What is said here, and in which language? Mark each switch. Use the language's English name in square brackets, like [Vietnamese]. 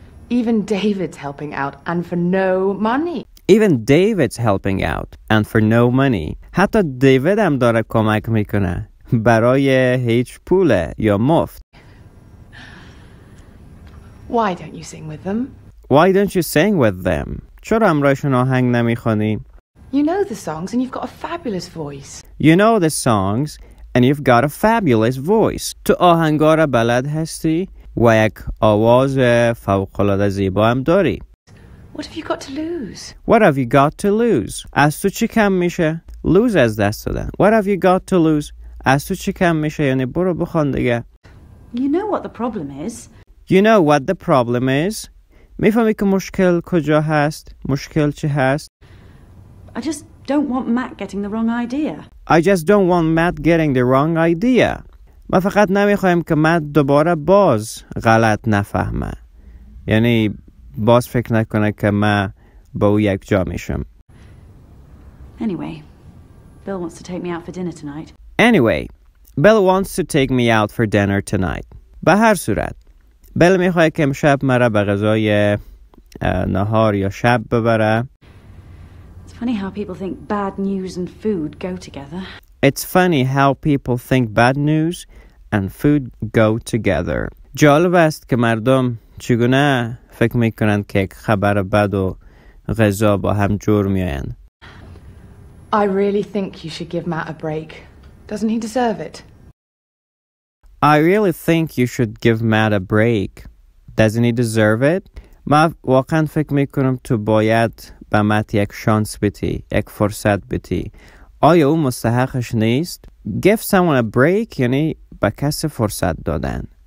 [English] Even David's helping out and for no money. Even David's helping out, and for no money. [Persian] حتی دیوید هم داره کمک میکنه. برای هیچ پوله یا مفت. [English] Why don't you sing with them? Why don't you sing with them? [Persian] چرا همراهشون آهنگ نمیخونی؟ [English] You know the songs, and you've got a fabulous voice. You know the songs, and you've got a fabulous voice. [Persian] تو آهنگا را بلد هستی و یک آواز فوق‌العاده زیبا هم داری. [English] What have you got to lose? What have you got to lose? [Persian] از تو چی کم میشه؟ Lose از دست دادن. [English] What have you got to lose? [Persian] از تو چی کم میشه؟ یعنی برو بخون دیگه. [English] You know what the problem is? You know what the problem is? [Persian] میفهمی که مشکل کجا هست؟ مشکل چی هست؟ [English] I just don't want Matt getting the wrong idea. I just don't want Matt getting the wrong idea. [Persian] ما فقط نمیخوایم که Matt دوباره باز غلط نفهمه. یعنی باز فکر نکنه که من با او یک جا میشم. [English] Anyway, Bill wants to take me out for dinner tonight. Anyway, Bill wants to take me out for dinner tonight. [Persian] به هر صورت, Bill میخواد که امشب مرا به غذای نهار یا شب ببره. [English] It's funny how people think bad news and food go together. It's funny how people think bad news and food go together. [Persian] جالب است که مردم چگونه فکر میکنند که یک خبر بد و غذا با هم جور میاین. [English] I really think you should give Matt a break. Doesn't he deserve it? I really think you should give Matt a break. Doesn't he deserve it? [Persian] ما واقعا فکر میکنم تو باید به مات یک شانس بدی، یک فرصت بدی. آیا او مستحقش نیست؟ [English] Give someone a break [Persian] یعنی به کسی فرصت دادن.